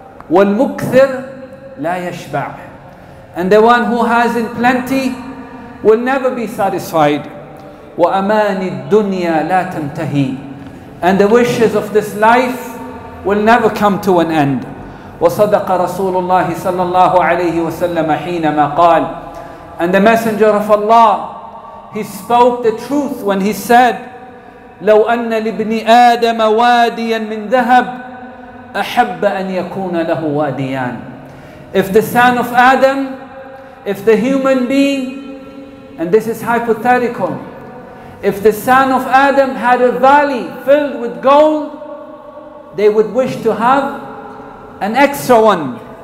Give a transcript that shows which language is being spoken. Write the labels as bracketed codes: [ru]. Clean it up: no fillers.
[ar] والمكثر لا يشبع. [en] And the one who has in plenty will never be satisfied. [ar] وأماني الدنيا لا تنتهي. [en] And the wishes of this life will never come to an end. [ar] وصدق رسول الله صلى الله عليه وسلم حينما قال. [en] And the messenger of Allah, he spoke the truth when he said, [ar] لو أن لابن آدم واديا من ذهب أحب أن يكون له واديان. [en] If the son of Adam, if the human being, and this is hypothetical, if the son of Adam had a valley filled with gold, they would wish to have an extra one.